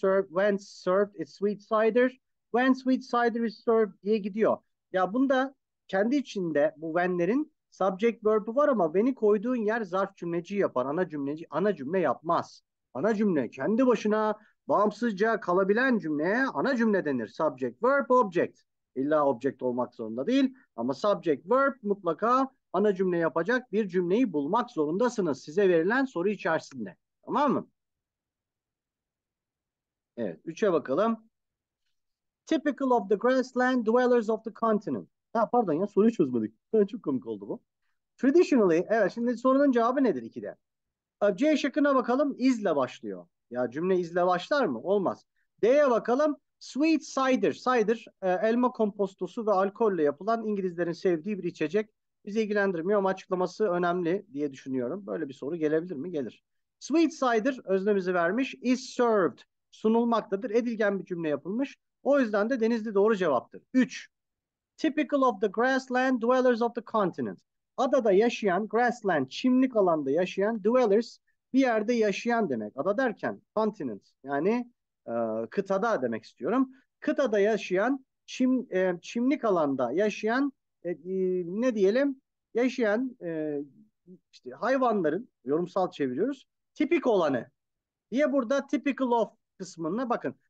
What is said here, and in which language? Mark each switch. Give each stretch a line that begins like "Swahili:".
English: When served is sweet cider. When sweet cider is served
Turkish: diye gidiyor. Ya bunda kendi içinde bu when'lerin subject verb'ü var ama when'i koyduğun yer zarf cümleci yapar. Ana cümle yapmaz. Ana cümle kendi başına bağımsızca kalabilen cümleye ana cümle denir. Subject, verb, object. İlla object olmak zorunda değil ama subject verb mutlaka ana cümle yapacak bir cümleyi bulmak zorundasınız size verilen soru içerisinde. Tamam mı? Evet, 3'e bakalım.
English: Typical of the grassland dwellers of the continent.
Turkish: Ha pardon ya, soruyu çözmedik. Çok komik oldu bu. Traditionally, evet şimdi sorunun cevabı nedir 2'de? C şıkkına bakalım, is'le başlıyor. Ya cümle is'le başlar mı? Olmaz. D'ye bakalım. Sweet cider. Cider, elma kompostosu ve alkolle yapılan İngilizlerin sevdiği bir içecek. Bizi ilgilendirmiyor ama açıklaması önemli diye düşünüyorum. Böyle bir soru gelebilir mi? Gelir. Sweet cider öznemizi vermiş.
English: Is served
Turkish: sunulmaktadır. Edilgen bir cümle yapılmış. O yüzden de Denizli doğru cevaptır. 3.
English: Typical of the grassland dwellers of the continent.
Turkish: Adada yaşayan, grassland, çimlik alanda yaşayan, dwellers, bir yerde yaşayan demek. Ada derken continent yani kıtada demek istiyorum. Kıtada yaşayan, çimlik alanda yaşayan, ne diyelim? Yaşayan işte hayvanların, yorumsal çeviriyoruz, tipik olanı diye burada
English: typical of
Turkish: kısmına bakın.